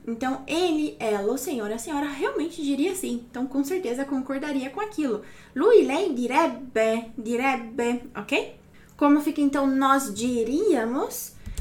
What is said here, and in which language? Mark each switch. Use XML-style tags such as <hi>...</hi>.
<pt>Então ele, ela, o senhor, a senhora realmente diria sim. Então com certeza concordaria com aquilo.</pt> <it>Lui, lei direbbe, direbbe, ok?</it> <pt>Como fica então nós diríamos?</pt>